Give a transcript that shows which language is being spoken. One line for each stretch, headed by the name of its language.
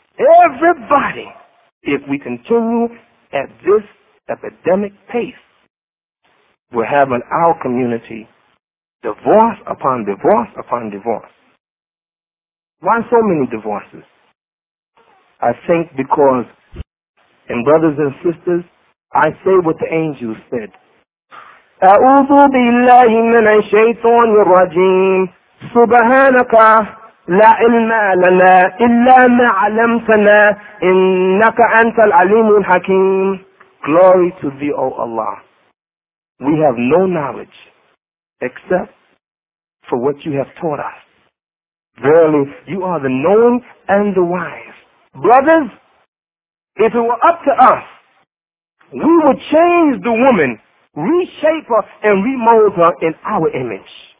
English: Everybody, if we continue at this epidemic pace, we're having our community divorce upon divorce upon divorce. Why so many divorces? I think because, and brothers and sisters, I say what the angels said.
Arabic: أعوذ بالله من الشيطان الرجيم سبحانك لا علم لنا إلا ما علمتنا إنك أنت العليم الحكيم.
English: Glory to thee, O Allah. We have no knowledge except for what you have taught us. Verily, you are the known and the wise. Brothers, if it were up to us, we would change the woman, reshape her and remold her in our image.